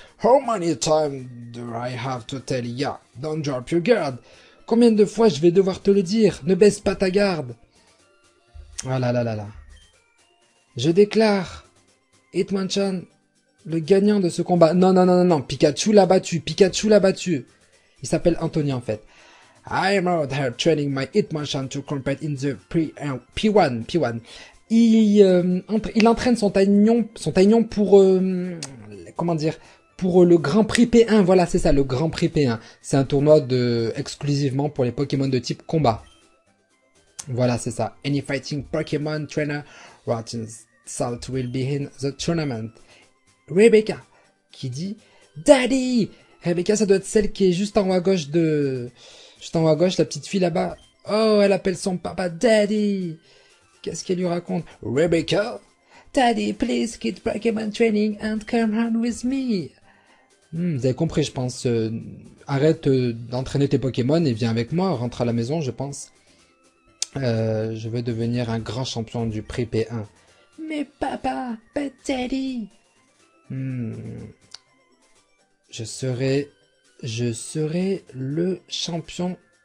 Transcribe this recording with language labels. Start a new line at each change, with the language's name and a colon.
English: How many times do I have to tell you? Yeah, don't drop your guard.
French: Combien de fois je vais devoir te le dire? Ne baisse pas ta garde. Ah là là là là. Je déclare. Hitmonchan, le gagnant de ce combat. Non, non, non, non, non. Pikachu l'a battu. Pikachu l'a battu. Il s'appelle Anthony en fait.
English: I am out here training my Hitmonchan to compete in the P1. P1.
French: Il entraîne son Taignon pour. Comment dire? Pour le Grand Prix P1. Voilà, c'est ça, le Grand Prix P1. C'est un tournoi exclusivement pour les Pokémon de type combat. Voilà, c'est ça.
English: Any fighting Pokémon trainer watches. Salt will be in the tournament. Rebecca,
French: qui dit
English: Daddy!
French: Rebecca, ça doit être celle qui est juste en haut à gauche de. Juste en haut à gauche, la petite fille là-bas. Oh, elle appelle son papa Daddy! Qu'est-ce qu'elle lui raconte? Rebecca?
English: Daddy, please quit Pokémon training and come run with me.
French: Vous avez compris, je pense. Arrête d'entraîner tes Pokémon et viens avec moi, rentre à la maison, je pense. Je veux devenir un grand champion du prix P1. Mais papa, pas Teddy. Je serai le champion.